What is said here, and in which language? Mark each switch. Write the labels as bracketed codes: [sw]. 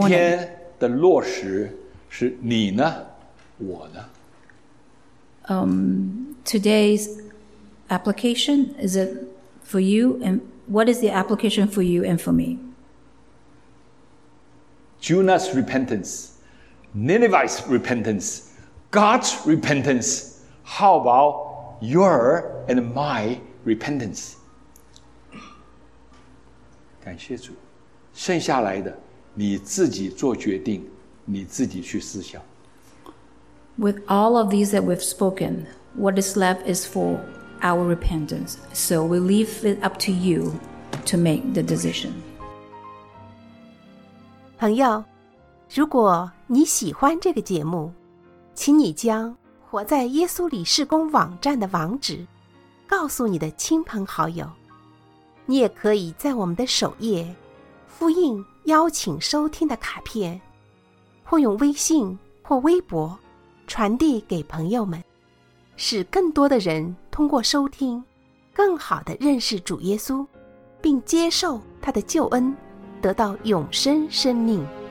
[zh] 今天的落实是你呢，我呢。 [en] Today's. Application is it for you, and what is the application for you and for me? Jonah's repentance, Nineveh's repentance, God's repentance. How about your and my repentance? [zh] 感谢主，剩下来的你自己做决定，你自己去思想。 [en] With all of these that we've spoken, what is left is for our repentance. So we leave it up to you to make the decision. [zh] 朋友，如果你喜欢这个节目，请你将活在耶稣里事工网站的网址告诉你的亲朋好友。你也可以在我们的首页复印邀请收听的卡片，或用微信或微博传递给朋友们，使更多的人通过收听更好地认识主耶稣，并接受他的救恩，得到永生生命。